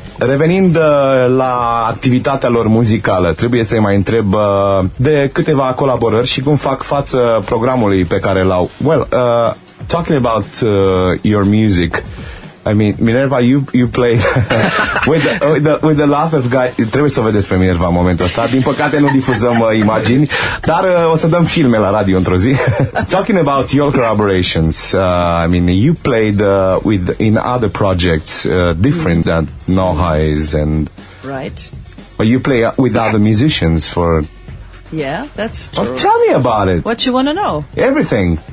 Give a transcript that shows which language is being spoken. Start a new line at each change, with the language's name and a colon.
Romanian: Revenind la activitatea lor muzicală, trebuie să-i mai întreb de câteva colaborări și cum fac față programului pe care l-au.
English: Well, talking about your music, I mean, Minerva, you played with the laugh of guy.
Romanian: Trebuie să o vedeți pe Minerva în momentul ăsta. Din păcate nu difuzăm imagini, dar o să dăm filme la radio într-o zi.
English: Talking about your collaborations, I mean, you played in other projects different than Noah's and... Right. But you play with other musicians for... Yeah, that's true. Well, tell me about it. What you want to know? Everything.